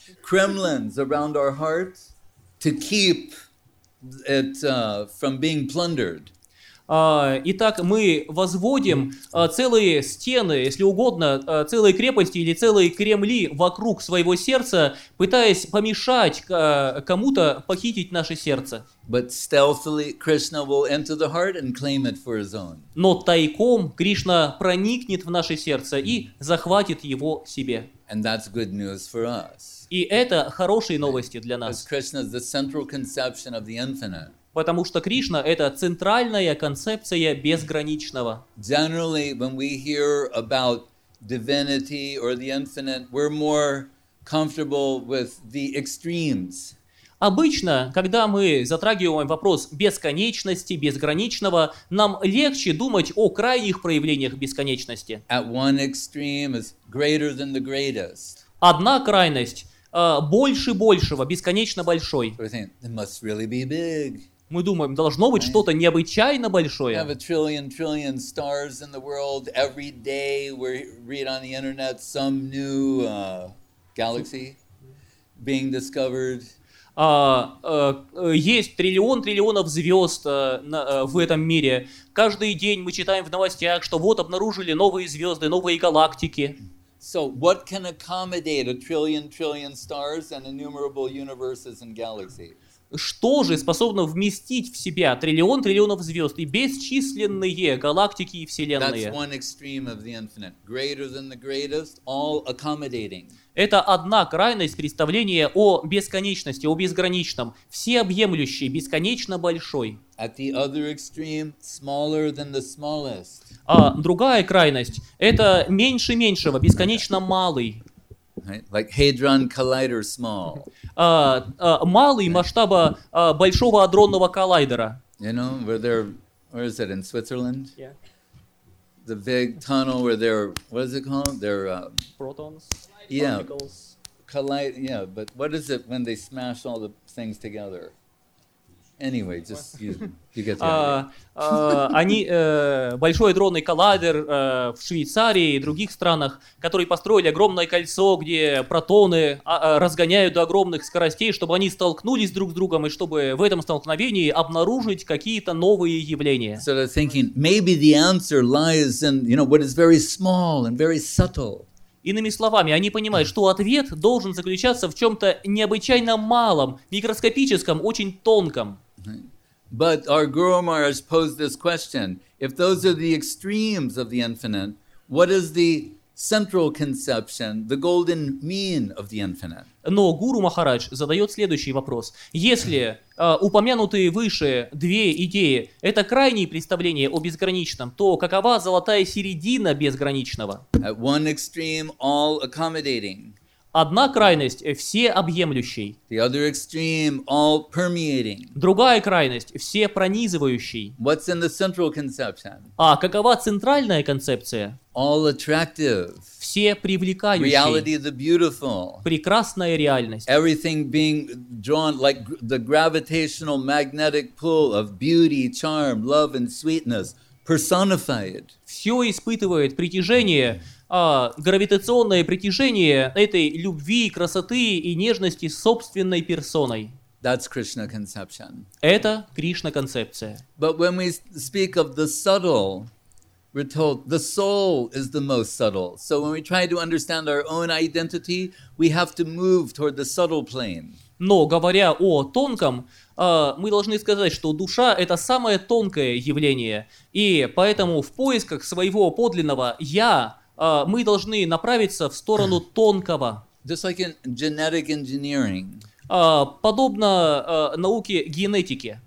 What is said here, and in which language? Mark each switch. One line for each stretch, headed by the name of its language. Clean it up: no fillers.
English: Kremlins around our hearts to keep it from being plundered.
Russian: Итак, мы возводим целые стены, если угодно, целые крепости или целые кремли вокруг своего сердца, пытаясь помешать кому-то похитить наше сердце.
English: But stealthily Krishna will enter the heart and claim it for his own.
Russian: Но тайком Кришна проникнет в наше сердце и захватит его себе.
English: And that's good news for us.
Russian: И это хорошие новости для нас.
English: Because Krishna is the central conception of the infinite.
Russian: Потому что Кришна — это центральная концепция безграничного.
English: Generally, when we hear about divinity or the infinite, we're more comfortable with the extremes.
Russian: Обычно, когда мы затрагиваем вопрос бесконечности, безграничного, нам легче думать о крайних проявлениях бесконечности.
English: At one extreme is greater than the greatest.
Russian: Одна крайность больше большего, бесконечно большой.
English: We think, it must really be big.
Russian: Мы думаем, должно быть что-то необычайно большое.
English: We have a trillion stars in the world. Every day we read on the internet some new galaxy being discovered.
Russian: Есть триллион звезд в этом мире. Каждый день мы читаем в новостях, что вот обнаружили новые звезды, новые галактики.
English: So what can accommodate a trillion stars and innumerable universes and galaxies?
Russian: Что же способно вместить в себя триллион триллионов звезд и бесчисленные галактики и вселенные? Это одна крайность представления о бесконечности, о безграничном, всеобъемлющей, бесконечно большой.
English: At the other extreme, smaller than the smallest.
Russian: А другая крайность — это меньше меньшего, бесконечно малый.
English: Right? Like Hadron Collider small.
Russian: Малый масштаба большого адронного коллайдера.
English: You know, where is it, in Switzerland? Yeah. The big tunnel where they're, what is it called? They're, protons? Yeah. Collide, yeah, but what is it when they smash all the things together? Anyway, just you get the idea.
Russian: Они, большой адронный коллайдер в Швейцарии и других странах, которые построили огромное кольцо, где протоны разгоняют до огромных скоростей, чтобы они столкнулись друг с другом, и чтобы в этом столкновении обнаружить какие-то новые явления.
English: So they're thinking, maybe the answer lies in, you know, what is very small and very subtle.
Russian: Иными словами, они понимают, что ответ должен заключаться в чем-то необычайно малом, микроскопическом, очень тонком.
English: But our Guru Maharaj posed this question. If those are the extremes of the infinite, what is the central conception, the golden mean of the infinite?
Russian: Но Гуру Махарадж задает следующий вопрос. Если упомянутые выше две идеи — это крайние представления о безграничном, то какова золотая середина безграничного?
English: At one extreme, all accommodating.
Russian: Одна крайность — всеобъемлющий.
English: The other extreme, all permeating.
Russian: Другая крайность — всепронизывающий.
English: What's in the central conception?
Russian: А какова центральная концепция?
English: All attractive.
Russian: Все привлекающие.
English: Reality the beautiful.
Russian: Прекрасная реальность.
English: Everything being drawn like the gravitational magnetic pull of beauty, charm, love and sweetness personified.
Russian: Все испытывает притяжение. Гравитационное притяжение этой любви, красоты и нежности собственной персоной.
English: That's Krishna conception.
Russian: Это Кришна-концепция.
English: But when we speak of the subtle, we're told the soul is the most subtle. So when we try to understand our own identity, we have to move toward the subtle plane.
Russian: Но говоря о тонком, мы должны сказать, что душа — это самое тонкое явление. И поэтому в поисках своего подлинного «я» мы должны направиться в сторону тонкого.
English: Just like in genetic engineering.
Russian: Подобно науке генетики.